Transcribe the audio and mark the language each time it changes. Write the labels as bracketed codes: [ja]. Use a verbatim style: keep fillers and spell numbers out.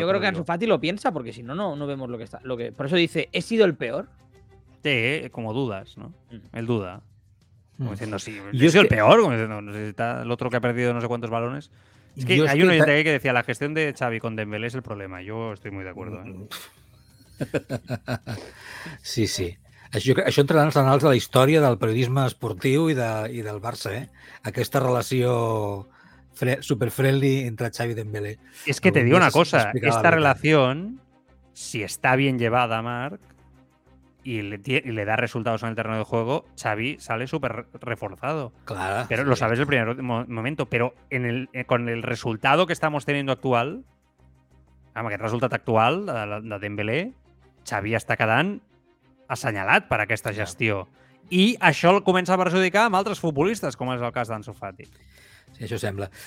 [es] Yo creo que Ansu Fati lo piensa porque si no, no, no vemos lo que está. Lo que, por eso dice, he sido el peor. Sí, como dudas, ¿no? Mm. Él duda. Como diciendo, sí, yo he sido el peor. Como diciendo, no sé, está el otro que ha perdido no sé cuántos balones. Es que Dios hay uno que decía, la gestión de Xavi con Dembélé es el problema. Yo estoy muy de acuerdo. ¿Eh? Sí, sí. [ca] Això, això entra en els anals de la història del periodisme esportiu i, de, i del Barça. Eh? Aquesta relació fre- superfriendly entre Xavi i Dembélé. [es] Es que te digo una cosa. Esta relación, si está bien llevada, Marc, y le, y le da resultados en el terreno de juego, Xavi sale súper reforzado. Claro. Pero lo sabes el primer momento. Pero en el, con el resultado que estamos teniendo actual, [ca] amb aquest resultat actual de, de Dembélé, Xavi està quedant assenyalat per aquesta gestió. I això el comença a perjudicar amb altres futbolistes, com és el cas d'Ansu Fati. Sí, això sembla.